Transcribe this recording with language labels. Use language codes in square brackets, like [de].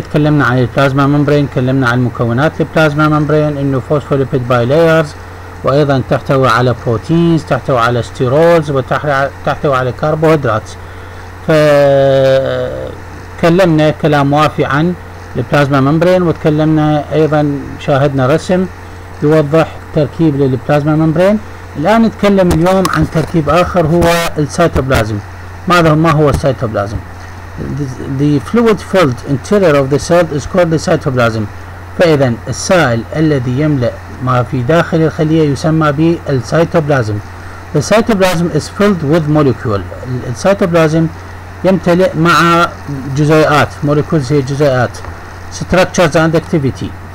[ar] تكلمنا عن البلازما ممبرين، تكلمنا عن مكونات البلازما ممبرين، انه فوسفوليبيد باي لايرز، وايضا تحتوي على بروتينز، تحتوي على ستيرولز، وتحتوي على كربوهيدرات. فتكلمنا كلام وافي عن البلازما ممبرين، وتكلمنا ايضا شاهدنا رسم يوضح تركيب للبلازما ممبرين. الان نتكلم اليوم عن تركيب اخر هو السيتوبلازم. ما هو السيتوبلازم؟ [en] The fluid filled interior of the cell is called the cytoplasm. [ar] فاذا السائل الذي يملأ ما في داخل الخلية يسمى بالسيتوبلازم. [en] The cytoplasm is filled with molecule. [ar] السيتوبلازم يمتلئ مع جزيئات، molecules هي جزيئات، [en] structures and activity.